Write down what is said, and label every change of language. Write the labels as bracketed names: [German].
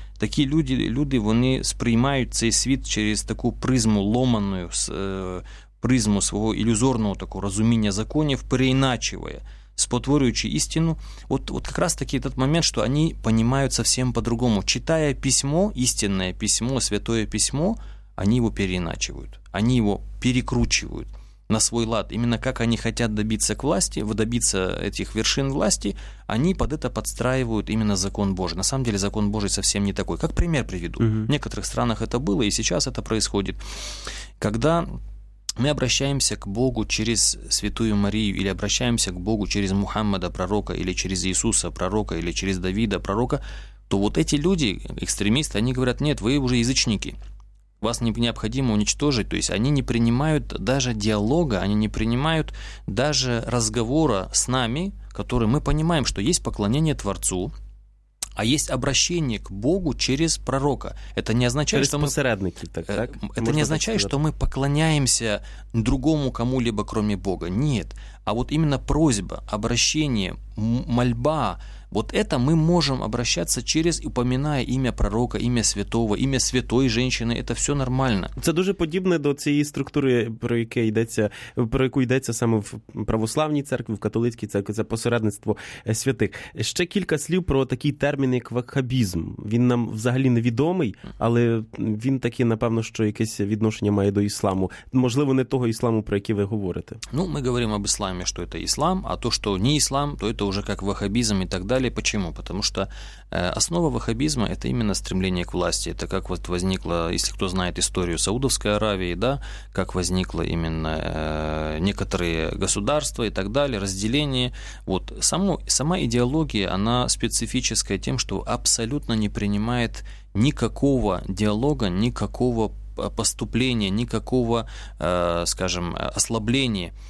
[Ukrainian] Такі люди, вони сприймають цей світ через таку призму ломаною, призму свого ілюзорного такого розуміння законів, переіначиває, спотворюючи істину. От якраз такий той момент, що вони розуміють зовсім по-другому. Читає письмо, істинне письмо, святое письмо, вони його переіначують, вони його перекручують. [Russian] на свой лад. Именно как они хотят добиться к власти, добиться этих вершин власти, они под это подстраивают именно закон Божий. На самом деле закон Божий совсем не такой. Как пример приведу. Угу. В некоторых странах это было, и сейчас это происходит. Когда мы обращаемся к Богу через Святую Марию или обращаемся к Богу через Мухаммада, пророка, или через Иисуса, пророка, или через Давида, пророка, то вот эти люди, экстремисты, они говорят, нет, вы уже язычники, вас необходимо уничтожить. То есть они не принимают даже диалога, они не принимают даже разговора с нами, который мы понимаем, что есть поклонение Творцу, а есть обращение к Богу через пророка. Это не означает, что мы... Это не означает, что мы поклоняемся другому кому-либо, кроме Бога. Нет. А вот именно просьба, обращение, мольба, вот это мы можем обращаться через, упоминая имя пророка, имя святого, имя святой женщины, это все нормально. [Ukrainian] Це дуже подібне до цієї структури, про яке йдеться, про яку йдеться саме в православній церкві, в католицькій церкві, це посередництво святих. Ще кілька слів про такий термін, як вахабізм. Він нам взагалі невідомий, але він таки, напевно, що якесь відношення має до ісламу. Можливо, не того ісламу, про який ви говорите. Ну, ми говоримо об ісламі, що це іслам, а то, що не іслам, то це вже як вахабізм і [Russian] так далее. Почему? Потому что основа ваххабизма – это именно стремление к власти. Это как вот возникло, если кто знает историю Саудовской Аравии, да, как возникло именно некоторые государства и так далее, разделение. Вот сама идеология, она специфическая тем, что абсолютно не принимает никакого диалога, никакого поступления, никакого, скажем, ослабления.